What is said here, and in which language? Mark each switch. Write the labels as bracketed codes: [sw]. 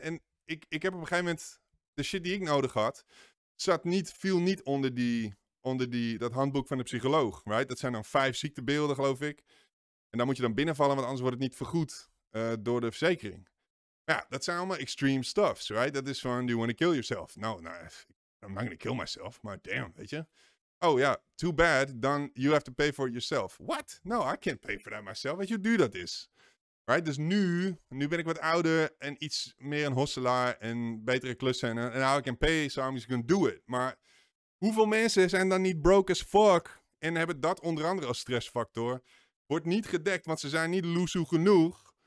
[nl] En ik heb op een gegeven moment, de shit die ik nodig had, viel niet onder dat handboek van de psycholoog. Right? Dat zijn dan 5 ziektebeelden, geloof ik. En daar moet je dan binnenvallen, want anders wordt het niet vergoed door de verzekering. Ja, dat zijn allemaal extreme stuffs, right? Dat is van, [en] do you want to kill yourself? Nou, I'm not going to kill myself, maar damn, [nl] weet je. [en] Oh ja, yeah, too bad, then you have to pay for it yourself. What? No, I can't pay for that myself. [nl] Weet je hoe duur dat is? [en] Right? [nl] Dus nu ben ik wat ouder en iets meer een hosselaar en betere klussen. En [en] now I can pay, so I'm just going to do it. [nl] Maar hoeveel mensen zijn dan niet broke as fuck en hebben dat onder andere als stressfactor? Wordt niet gedekt, want ze zijn niet loesoe genoeg.